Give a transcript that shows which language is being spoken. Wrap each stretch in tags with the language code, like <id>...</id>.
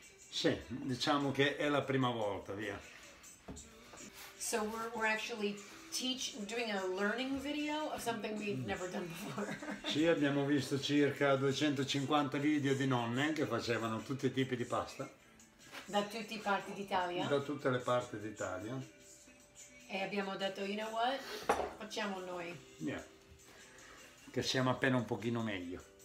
<it>Sì, diciamo che è la prima volta, via.</it> <en>So we're actually doing a learning video of something we've never done</en> <it>Sì,</it> <en>before.</en> <it>abbiamo visto circa 250 video di nonne che facevano tutti i tipi di pasta. Da Da tutti i parti d'Italia? tutte le parti d'Italia. E abbiamo detto,</it> <en>you know what?</en> <it>Facciamo noi.</it> <en>Yeah.</en> <it>Che siamo appena un pochino meglio.</it>